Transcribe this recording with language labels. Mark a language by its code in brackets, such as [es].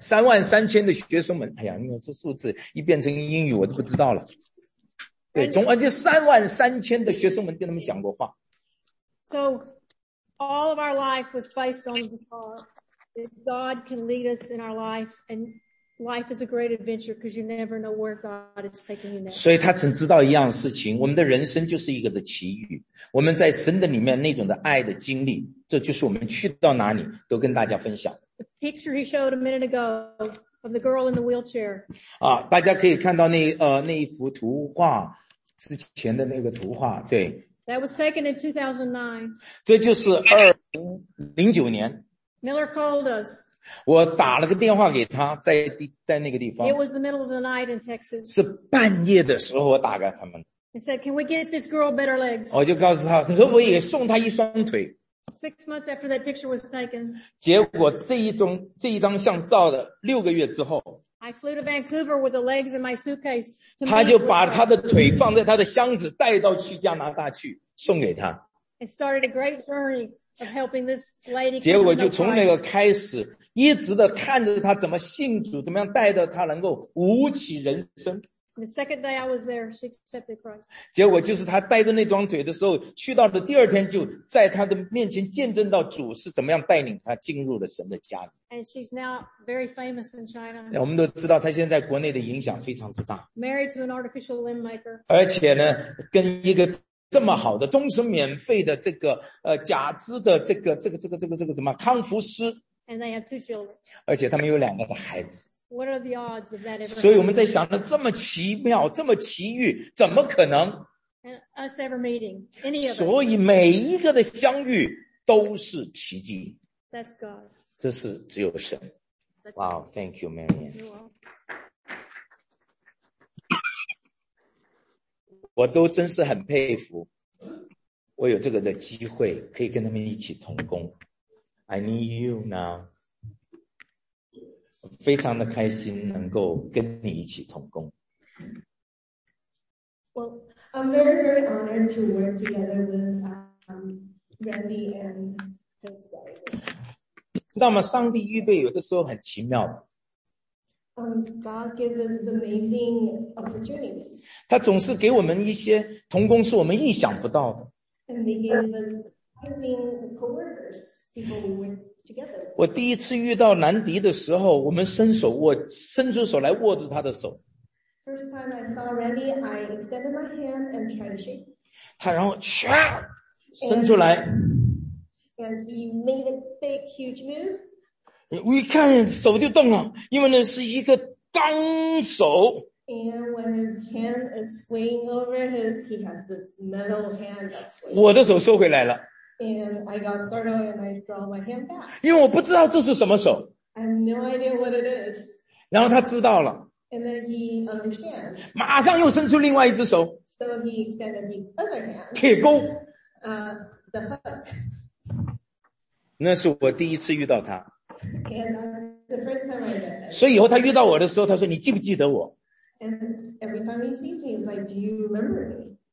[zh] 三万三千的学生们，哎呀，你看这数字一变成英语，我都不知道了。对，总而就三万三千的学生们跟他们讲过话。 [en] So, all of our life was based on the thought that God can lead us in our life, and life is a great adventure because you never know where God is taking you next. [zh] 所以他只知道一样事情，我们的人生就是一个的奇遇。我们在神的里面那种的爱的经历，这就是我们去到哪里都跟大家分享。 [en] The picture he showed a minute ago of the girl in the wheelchair. [zh] 啊，大家可以看到那一幅图画之前的那个图画，对。 [en] That was taken in 2009. [zh] 这就是2009年。 [en] Miller called us. [zh] 我打了个电话给他，在那个地方。 [en] It was the middle of the night in Texas. [zh] 是半夜的时候我打给他们。 [en] He said, can we get this girl better legs? [zh] 我就告诉他，可不可以送她一双腿？ [en] 6 months after that picture was taken. [zh] 结果这一张像照的6个月之后， [en] I flew to Vancouver with the legs in my suitcase. [zh] 他就把他的腿放在他的箱子带到去加拿大去送给他。 [en] It started a great journey of helping this lady. [zh] 结果就从那个开始一直的看着他怎么信主，怎么样带着他能够舞起人生。 [en] The second day I was there, she accepted Christ. [zh] 结果就是他带着那双腿的时候，去到了第二天就在他的面前见证到主是怎么样带领他进入了神的家里。 [en] And she's now very famous in China. [zh] 我们都知道他现在国内的影响非常之大。 [en] Married to an artificial limb maker. [zh] 而且呢，跟一个这么好的终身免费的这个假肢的这个什么康复师。 [en] And they have two children. [zh] 而且他们有2个孩子。 [en] What are the odds of that ever? [zh] 所以我们在想着这么奇妙，这么奇遇，怎么可能？ [en] Us ever meeting any of us. [zh] 所以每一个的相遇都是奇迹。 [en] That's God. [zh] 这是只有神。 [en] Wow, thank you, Mary. You're welcome. [zh] 我都真是很佩服，我有这个的机会可以跟他们一起同工。 [en] I need you now. [zh] 非常的开心能够跟你一起同工。 [en] Well, I'm very, very honored to work together with Randy and his wife. [zh] 知道吗？上帝预备有的时候很奇妙。 [en] God gives us amazing opportunities. [zh] 他总是给我们一些同工是我们意想不到的。 [en] And they gave us amazing coworkers, people we work. [zh] 我第一次遇到南迪的时候，我们伸手，我伸出手来握住他的手。 [en] First time I saw Randy, I extended my hand and tried to shake. [zh] 他然后唰伸出来。 [en] And he made a big, huge move. [zh] 我一看手就动了，因为那是一个钢手。 [en] And when his hand is swinging over his, he has this metal hand that's swinging. [zh] 我的手收回来了。 [en] And I got startled and I draw my hand back. [zh] 因为我不知道这是什么手。 [en] I have no idea what it is. [zh] 然后他知道了。 [en] And then he understands. [zh] 马上又伸出另外一只手。 [en] So he extended his other hand. [zh] 铁钩。 [en] The hook. [zh] 那是我第一次遇到他。 [en] And that's the first time I met him. [zh] 所以以后他遇到我的时候，他说你记不记得我？ [en] And every time he sees me, he's like, do you remember me?